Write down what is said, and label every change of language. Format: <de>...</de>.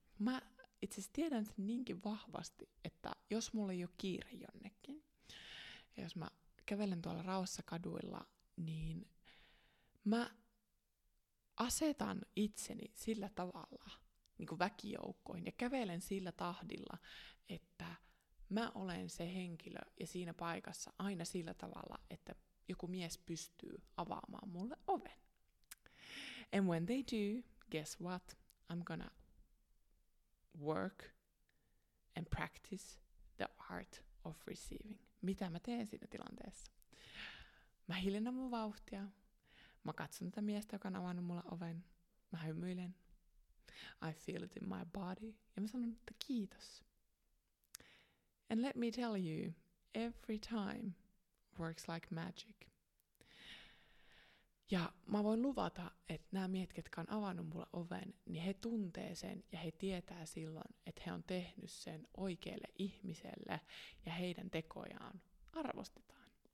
<fi>Mä itse asiassa tiedän sen niinkin vahvasti, että jos mulla ei ole kiire jonnekin, ja jos mä kävelen tuolla rauhassa kaduilla, niin mä asetan itseni sillä tavalla, niin kuin väkijoukkoihin, ja kävelen sillä tahdilla, että mä olen se henkilö ja siinä paikassa aina sillä tavalla, että joku mies pystyy avaamaan mulle oven.</fi> <en>And when they do, guess what? I'm gonna work and practice the art of receiving.</en> <fi>Mitä mä teen siinä tilanteessa? Mä hiljennän mun vauhtia. Mä katson tätä miestä, joka on avannut mulle oven. Mä hymyilen.</fi> <en>I feel it in my body.</en> <fi>Ja mä sanon, että kiitos.</fi> <en>And let me tell you, every time works like magic.</en> <fi>Ja mä voin luvata, että nämä miehet, jotka on avannut mulle oven, niin he tuntee sen ja he tietää silloin, että he on tehnyt sen oikealle ihmiselle ja heidän tekojaan arvostetaan.</fi>